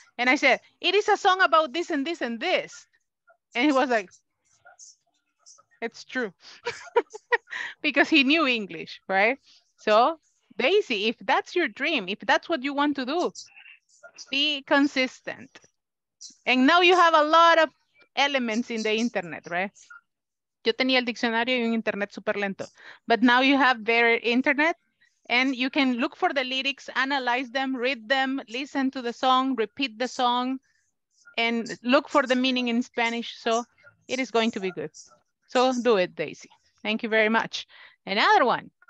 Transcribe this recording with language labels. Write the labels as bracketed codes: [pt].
[en] And I said, it is a song about this and this and this. And he was like, It's true. Because he knew English, right? So, Daisy, if that's your dream, if that's what you want to do, be consistent. And now you have a lot of elements in the internet, right? [es] Yo tenía el diccionario y un internet super lento. [en] But now you have better internet and you can look for the lyrics, analyze them, read them, listen to the song, repeat the song, and look for the meaning in Spanish. So it is going to be good. So do it, Daisy. Thank you very much. Another one.